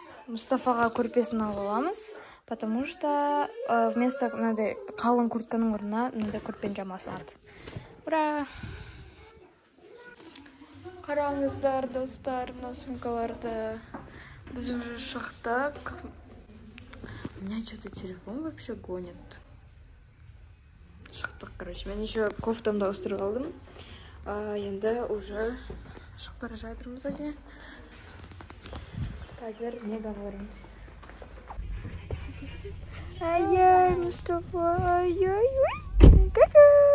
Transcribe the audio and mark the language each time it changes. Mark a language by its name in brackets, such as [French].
[Kazakh] Мұстафаға көрпесін алып аламыз, [Russian] потому что вместо [Kazakh] мынадай қалың куртканың орнына мынадай көрпені жамасады. [Russian] Ура! [Kazakh] Қараңыздар, достар, мына сумкаларды. Біз уже шықтық. [Russian] У меня что-то телефон вообще гонит. [Kazakh] Шықтық, короче. Мен еще кофтамды ауыстырып алдым. Енді уже шығып бара жатырмыз әне. Қазір мега барамыз. Айай, Мұстафа, айай, ой, ка-ка!